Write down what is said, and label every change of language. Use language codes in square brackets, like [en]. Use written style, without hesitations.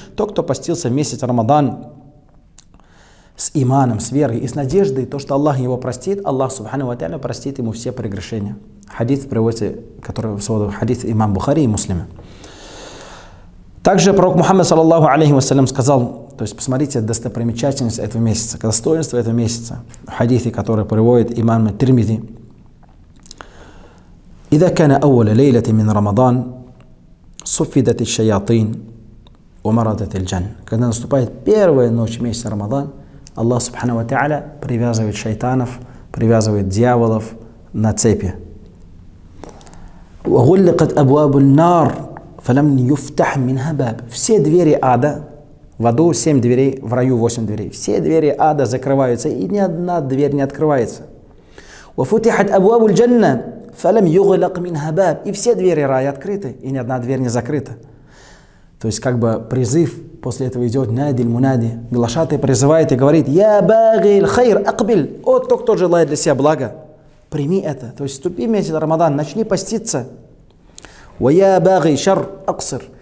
[ru] То, кто постился месяц Рамадан с иманом, с верой и с надеждой, то, что Аллах его простит, Аллах Субхану ва Тааля простит ему все прегрешения. Хадис приводится, который в своем хадисе имам Бухари и Муслима. Также пророк Мухаммад саллаллаху алейхи ва саллям сказал, то есть посмотрите достопримечательность этого месяца, достоинство этого месяца, хадисы, которые приводит имам Тирмизи. [ar] إذا كان أول ليلة من رمضان صفدت الشياطين ومرضت الجن. [ru] Когда наступает первая ночь месяца Рамадан, Аллах Субхану ва Тааля привязывает шайтанов, привязывает дьяволов на цепи. [ar] وغلقت أبواب النار فلم يفتح منها باب. [ru] Все двери ада, в аду 7 дверей, в раю 8 дверей. Все двери ада закрываются, и ни одна дверь не открывается. [ar] وفتحت أبواب الجنة فلم يغلق منها باب. [ru] И все двери рая открыты, и ни одна дверь не закрыта. То есть как бы призыв после этого идет [ar] нади аль-мунади. [ru] Глашатай призывает и говорит: [ar] "Я багил хайр акбил". [ru] О, тот, кто желает для себя блага, прими это, то есть вступи в месяц Рамадан, начни поститься. [ar] «Уя баги шар аксир».